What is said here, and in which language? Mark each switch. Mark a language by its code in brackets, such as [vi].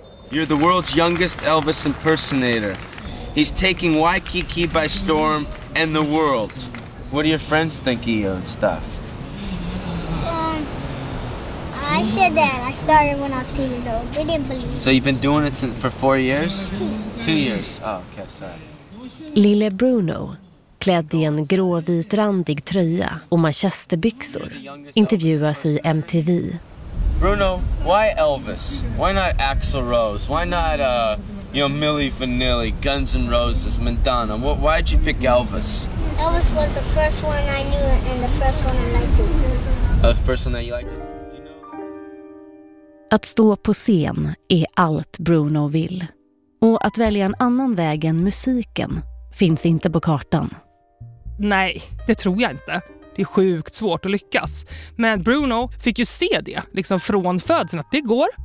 [en] You're the world's youngest Elvis impersonator. He's taking Waikiki by storm and the world. What do your friends think of you and stuff? I said that I started when I was 10 years old. They didn't believe me. So you've been doing it for 4 years? Two. 2 years. Oh, okay, sorry. [sv] Lille Bruno, klädd i en gråvit randig tröja och manchesterbyxor, intervjuas i MTV. [en] Bruno, why Elvis? Why not Axl Rose? Why not, you know, Millie Vanilli, Guns N' Roses, Madonna? Why'd you pick Elvis? Elvis was the first one I knew and the first one I liked it. The first one that you liked it? [sv] Att stå på scen är allt Bruno vill. Och att välja en annan väg än musiken finns inte på kartan. Nej, det tror jag inte. Det är sjukt svårt att lyckas. Men Bruno fick ju se det liksom från födseln att det går.